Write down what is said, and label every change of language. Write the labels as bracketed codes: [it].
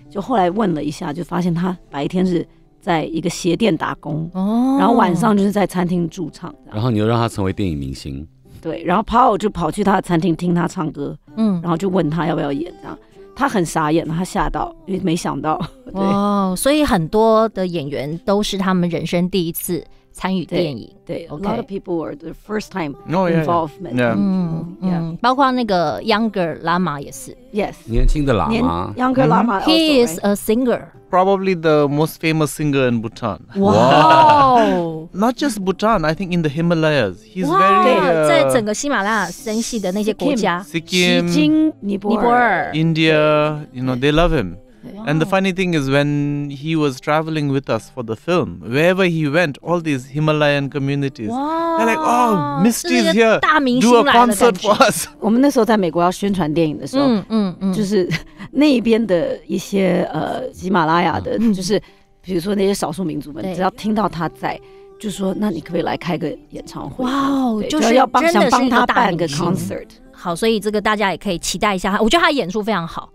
[zh] 就后来问了一下，就发现他白天是在一个鞋店打工，然后晚上就是在餐厅驻唱。然后你又让他成为电影明星，对。然后 Paul 就跑去他的餐厅听他唱歌，然后就问他要不要演这样。他很傻眼，他吓到，因为没想到。对，所以很多的演员都是他们人生第一次参与电影。对、 [en] okay. ，A lot of people were the first time involvement. Yeah. [zh] 包括那个 Younger Lama 也是。 [en] Yes， [zh] 年轻的喇嘛。 [en] Younger Lama，、 he is a singer. Probably the most famous singer in Bhutan. Wow. Not just Bhutan, I think in the Himalayas, he's wow, very. [zh] 在整个喜马拉雅山系的那些国家 [en] ，Sikkim、 [zh] 西京、尼泊尔、 [en] India, you know, they love him. And the funny thing is when he was traveling with us for the film, wherever he went, all these Himalayan communities, they're like, oh, Misty's here, do a concert for us. [zh] 我们那时候在美国要宣传电影的时候，就是那边的一些喜马拉雅的，就是比如说那些少数民族们，只要听到他在，就说那你可不可以来开个演唱会？哇，就是要帮想帮他办个 [en] concert。 [zh] 好，所以这个大家也可以期待一下，我觉得他演出非常好，